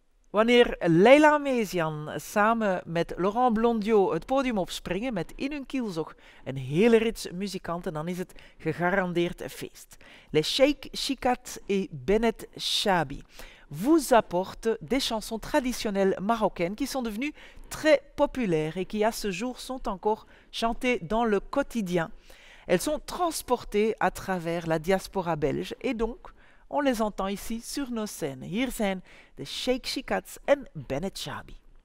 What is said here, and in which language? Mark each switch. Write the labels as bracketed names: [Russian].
[Dutch] Wanneer Leila Mezian samen met Laurent Blondiot het podium opspringen met in hun kielzog een hele rits muzikanten, dan is het gegarandeerd een feest. [French] Les Sheiks Shikhats B’net Chaabi vous apportent des chansons traditionnelles marocaines qui sont devenues très populaires et qui à ce jour sont encore chantées dans le quotidien. Elles sont transportées à travers la diaspora belge et donc on les entend ici sur nos scènes. [Dutch] Hier zijn de Sheiks Shikhats en B’net Chaabi.